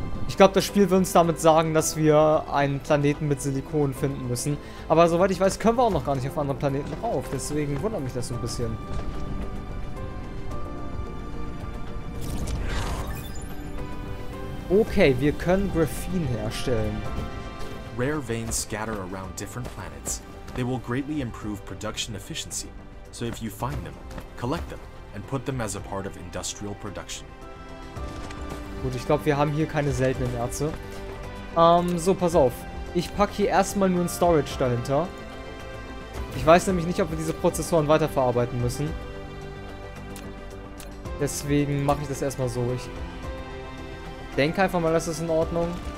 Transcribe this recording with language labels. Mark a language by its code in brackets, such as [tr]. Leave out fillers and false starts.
[de] Ich glaube, das Spiel will uns damit sagen, dass wir einen Planeten mit Silikon finden müssen. Aber soweit ich weiß, können wir auch noch gar nicht auf anderen Planeten rauf. Deswegen wundert mich das so ein bisschen. Okay, wir können Graphene herstellen. [en] Rare veins scatter around different planets. They will greatly improve production efficiency. So if you find them, collect them and put them as a part of industrial production. [de] Gut, ich glaube, wir haben hier keine seltenen Erze. So, pass auf. Ich packe hier erstmal nur ein Storage dahinter. Ich weiß nämlich nicht, ob wir diese Prozessoren weiterverarbeiten müssen. Deswegen mache ich das erstmal so. Ich denke einfach mal, das ist in Ordnung.